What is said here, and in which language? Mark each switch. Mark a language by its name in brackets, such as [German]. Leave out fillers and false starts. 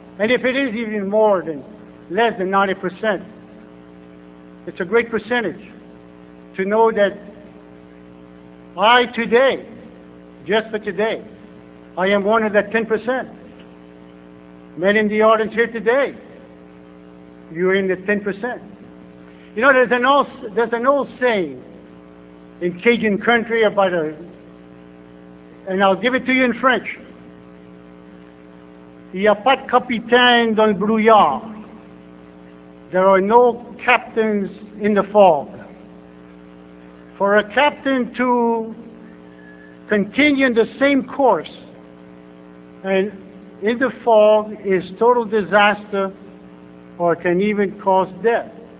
[English] And if it is even more than less than 90%, it's a great percentage to know that I today, just for today, I am one of the 10%. Men in the audience here today, you're in the 10%. You know, there's an old saying in Cajun country and I'll give it to you in French. [French] Il n'y a pas de capitaine dans le brouillard. [English] There are no captains in the fog. For a captain to continue in the same course and in the fog is total disaster or can even cause death.